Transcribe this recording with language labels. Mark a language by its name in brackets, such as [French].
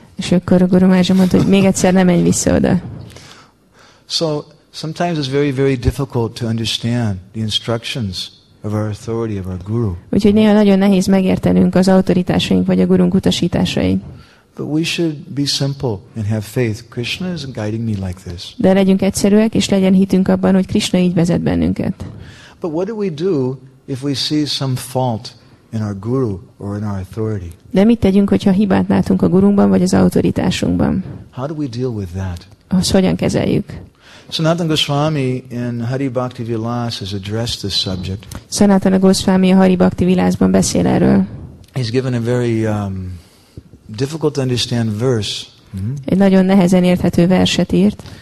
[Hungarian] És akkor a Guru Maharaj mondta, hogy még egyszer nem menj vissza oda. [English] So sometimes it's very, very difficult to understand the instructions of our authority of our guru. [Hungarian] Úgyhogy néha nagyon nehéz megértenünk az autoritásaink vagy a gurunk utasításait. [English] But we should be simple and have faith. Krishna is guiding me like this. [Hungarian] De legyünk egyszerűek és legyen hitünk abban, hogy Krishna így vezet bennünket. [English] But what do we do if we see some fault in our guru or in our authority? [Hungarian] De mit tegyünk, hogyha hibát látunk a gurunkban vagy az autoritásunkban? [English] How do we deal with that? [Hungarian] Azt hogyan kezeljük? [English] Sanatana Goswami in Hari Bhakti Vilas has addressed this subject. [Hungarian] Sanatana Goswami a Hari Bhakti Vilasban beszél erről. [English] He's given a very difficult to understand verse. [Hungarian] Egy nagyon nehezen érthető verset írt.